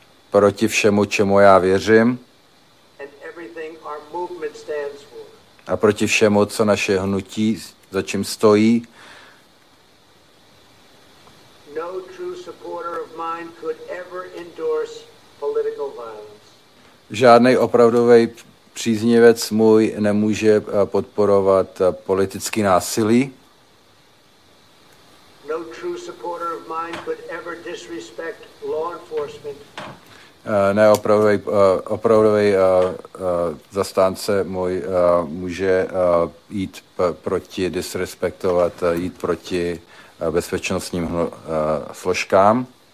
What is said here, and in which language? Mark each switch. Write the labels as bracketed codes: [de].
[cs] Proti všemu, čemu já věřím. [en] And everything our movement stands for. [cs] A proti všemu, co naše hnutí, za čím stojí. [en] No true supporter of mine could ever endorse political violence. [cs] Žádnej opravdovej příznivec můj nemůže podporovat politický násilí. [en] No true supporter of mine could ever disrespect law enforcement. [cs] Neopravdový zastánce můj může jít proti disrespektovat, jít proti bezpečnostním složkám.